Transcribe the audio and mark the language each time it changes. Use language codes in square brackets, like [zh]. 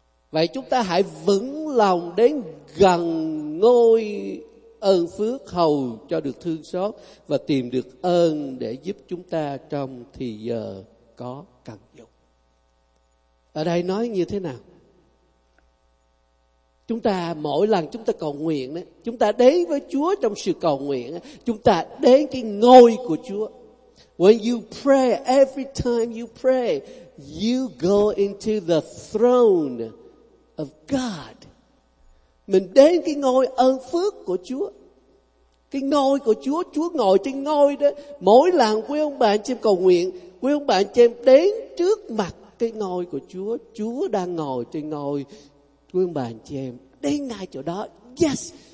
[vi] Vậy chúng ta hãy vững lòng đến gần ngôi ơn phước hầu cho được thương xót và tìm được ơn để giúp chúng ta trong thì giờ có cần dùng. Ở đây nói như thế nào? Chúng ta mỗi lần chúng ta cầu nguyện, chúng ta đến với Chúa trong sự cầu nguyện, chúng ta đến cái ngôi của Chúa. [en] When you pray, every time you pray, you go into the throne of God. [vi] Mình đến cái ngôi ơn phước của Chúa. Cái ngôi của Chúa, Chúa ngồi trên ngôi đó. Mỗi lần quý ông bà anh chị em cầu nguyện, quý ông bà anh chị em đến trước mặt cái ngôi của Chúa. Chúa đang ngồi trên ngôi. Quý ông bà anh chị em đến ngay chỗ đó. Yes.